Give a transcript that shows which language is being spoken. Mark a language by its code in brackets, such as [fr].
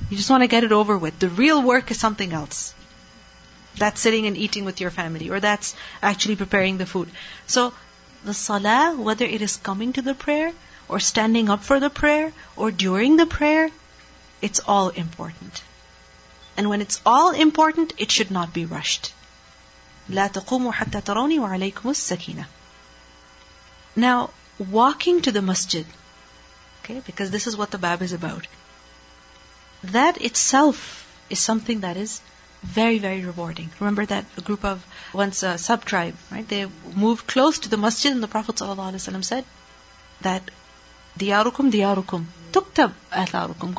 [en] You just want to get it over with. The real work is something else. That's sitting and eating with your family. Or that's actually preparing the food. So the salah, whether it is coming to the prayer, or standing up for the prayer, or during the prayer, it's all important. And when it's all important, it should not be rushed. [ar] لا تقوموا حتى تروني وعليكم السكينة. [en] Now, walking to the masjid, okay, because this is what the bab is about. That itself is something that is very, very rewarding. Remember that a group of, once a sub-tribe, right? They moved close to the masjid and the Prophet ﷺ said that, [ar] diyarukum, diyarukum, tuktab atharukum.